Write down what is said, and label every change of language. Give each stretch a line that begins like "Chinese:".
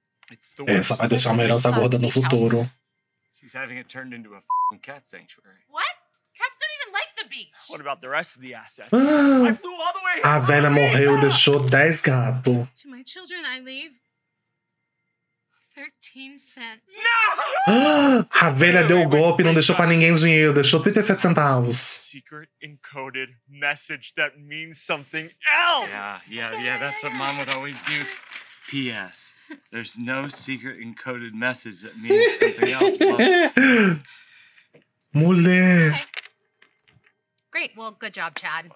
English: It's the
Portuguese: essa vai deixar uma herança gorda no futuro.
English: She's having it turned into a f***ing cat sanctuary. What? Cats don't even like the beach. What about the rest of the assets?
Portuguese: A velha morreu e deixou 10 gatos.
English: To my children, I leave 13 cents. No!
Portuguese: A velha deu o golpe e não deixou pra ninguém dinheiro. Deixou 37 centavos.
English: Secret encoded message that means something else. Yeah, that's what mom would always do. P.S. There's no secret encoded message that means something else. Mulder. Okay. Great. Well, good job, Chad.